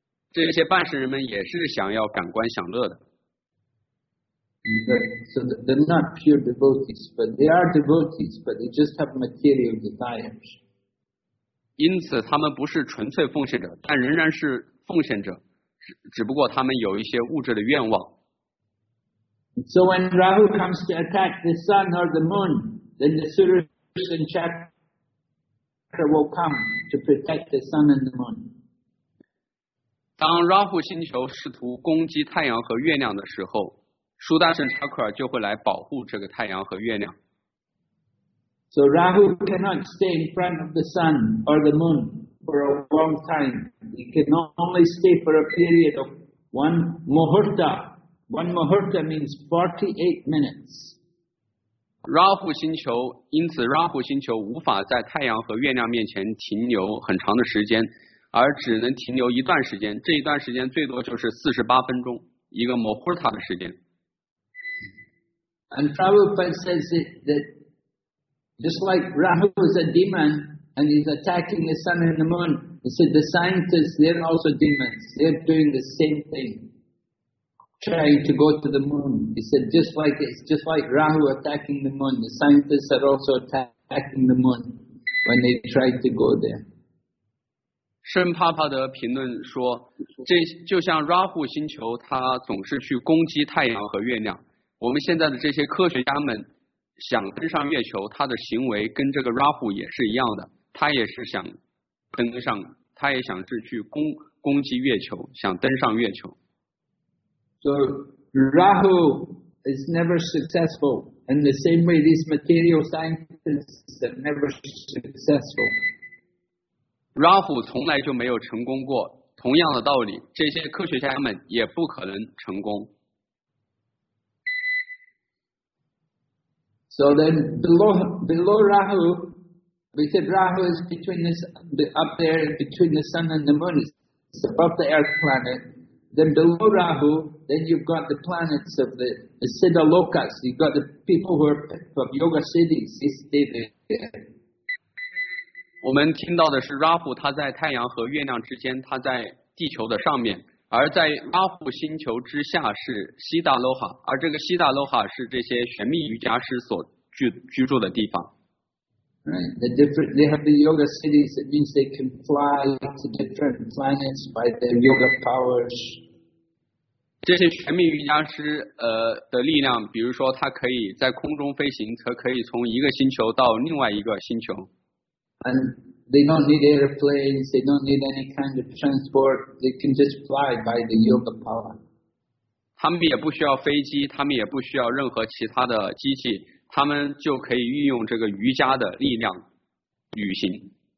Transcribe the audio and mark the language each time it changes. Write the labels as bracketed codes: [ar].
[zh] 这些半神人们也是想要感官享乐的。 [en] So they're not pure devotees, but they are devotees, but they just have material desires. [zh] 因此，他们不是纯粹奉献者，但仍然是奉献者，只不过他们有一些物质的愿望。 [en] So when Rahu comes to attack the sun or the moon, then the Sudarshan Chakra will come to protect the sun and the moon. [zh] 当 Rahu 星球试图攻击太阳和月亮的时候，苏达神查克尔就会来保护这个太阳和月亮。 [en] So Rahu cannot stay in front of the sun or the moon for a long time. He can only stay for a period of one muhurta. One muhurta means 48 minutes. [zh] Rahu 星球，因此 Rahu 星球无法在太阳和月亮面前停留很长的时间，而只能停留一段时间。这一段时间最多就是48分钟，一个 muhurta 的时间。 [en] And Prabhupada says that just like Rahu is a demon and he's attacking the sun and the moon, he said the scientists, they're also demons. They're doing the same thing, trying to go to the moon. He said just like Rahu attacking the moon, the scientists are also attacking the moon when they try to go there. [zh] 圣帕帕德评论说，这就像 Rahu 星球，他总是去攻击太阳和月亮。我们现在的这些科学家们想登上月球，他的行为跟这个 Rahu 也是一样的，他也是想登上，他也想是去攻击月球，想登上月球。 [en] So Rahu is never successful, and the same way these material scientists are never successful. [zh] Rahu 从来就没有成功过，同样的道理，这些科学家们也不可能成功。 [en] So then below Rahu, we said Rahu is between this, up there between the sun and the moon. It's above the earth planet. Then below Rahu, then you've got the planets of the Siddha Lokas. You've got the people who are from Yoga cities. They stay there. [zh] 我们听到的是 Rahu 它在太阳和月亮之间，它在地球的上面。而在拉夫星球之下是西达罗哈，而这个西达罗哈是这些玄秘瑜伽师所 居住的地方。 [en] Right, the different, they have the yoga cities. It means they can fly to different planets by their yoga powers. [zh] 这些玄秘瑜伽师的力量，比如说他可以在空中飞行，他可以从一个星球到另外一个星球。 [en] And,They don't need airplanes. They don't need any kind of transport. They can just fly by the yoga power. [zh] 他们也不需要飞机，他们也不需要任何其他的机器，他们就可以运用这个瑜伽的力量旅行。